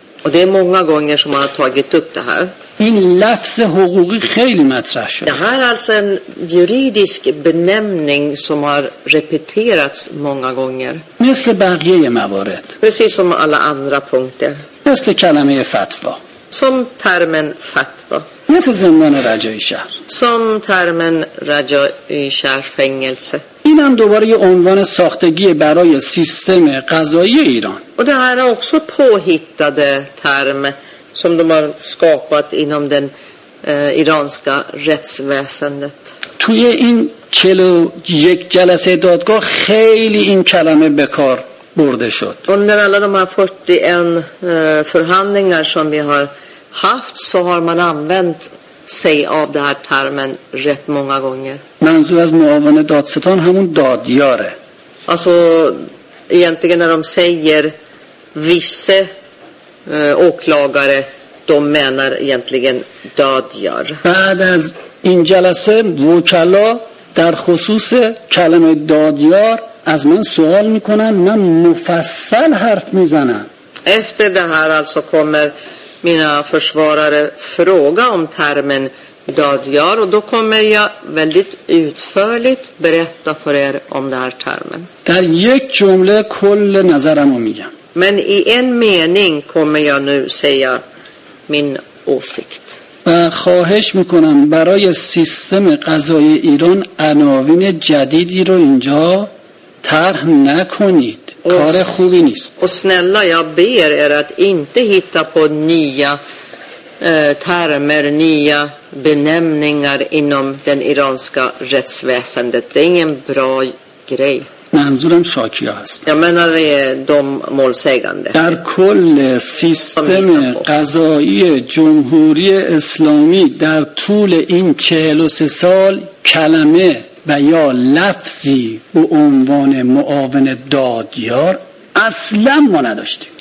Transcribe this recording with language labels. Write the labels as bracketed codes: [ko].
[sv] Och det är många gånger som man har tagit upp det här. [fa] این لفظ حقوقی خیلی مطرح شده. [sv] Det här är alltså en juridisk benämning som har repeterats många gånger. [fa] مثل بقیه موارد. [sv] Precis som alla andra punkter. [fa] مثل کلمه فتوا. [sv] Som termen fatwa. [fa] مثل زندان رجایی شهر. [sv] Som termen رجایی شهر fängelse. [fa] این هم دوباره یه عنوان ساختگی برای سیستم قضایی ایران. [sv] Och det här är också påhittade term som de har skapat inom den iranska rättsväsendet. [fa] توی این 41 جلسه دادگاه خیلی این کلمه به کار برده شد. [sv] Under alla de här 41 förhandlingar som vi har haft så har man använt sig av den här termen rätt många gånger. [fa] منظور از معاون دادستان همون دادیاره. [sv] Alltså egentligen när de säger vice åklagare, de menar egentligen dadgör. [fa] بعد از این جلسه وکلا در خصوص کلمه دادیار از من سوال میکنن، من مفصل حرف میزنم. [sv] Efter det här alltså kommer mina försvarare fråga om termen dadgör och då kommer jag väldigt utförligt berätta för er om den här termen. [fa] در یک جمله کل نظرمو میگم. [sv] Men i en mening kommer jag nu säga min åsikt. [fa] خواهش میکنم برای سیستم قضایی ایران عناوین جدیدی رو اینجا طرح نکنید. کار خوبی نیست. [sv] Och snälla, jag ber er att inte hitta på nya termer, nya benämningar inom den iranska rättsväsendet. Det är ingen bra grej. [fa] منظورم شاکی هست. [sv] Jag menar de målsägande. [fa] در کل سیستم قضایی جمهوری اسلامی در طول این 43 سال کلمه و یا لفظی و عنوان معاون دادیار اصلا ما نداشتیم.